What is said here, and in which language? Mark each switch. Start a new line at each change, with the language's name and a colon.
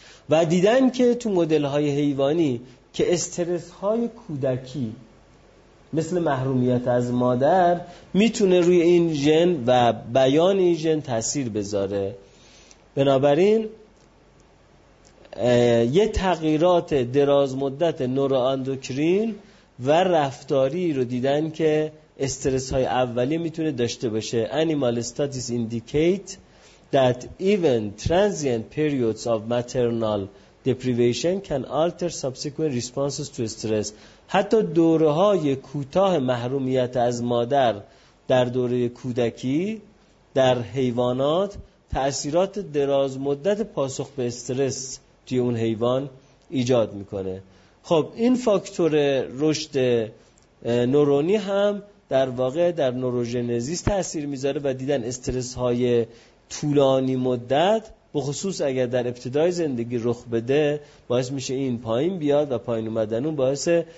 Persian: و دیدن که تو مدل های حیوانی که استرس های کودکی مثل محرومیت از مادر میتونه روی این ژن و بیان این ژن تاثیر بذاره، بنابراین یه تغییرات دراز مدت نوراندوکرین و رفتاری رو دیدن که استرس های اولی میتونه داشته باشه.
English: Animal studies indicate that even transient periods of maternal deprivation can alter subsequent responses to stress.
Persian: حتی دوره‌های کوتاه محرومیت از مادر در دوره کودکی در حیوانات تأثیرات دراز مدت پاسخ به استرس توی اون حیوان ایجاد می‌کنه. خب این فاکتور رشد نورونی هم در واقع در نوروژنزیس تأثیر می‌ذاره و دیدن استرس‌های طولانی مدت به خصوص اگر در ابتدای زندگی رخ بده باعث میشه این پایین بیاد و پایین اومدن اون باعث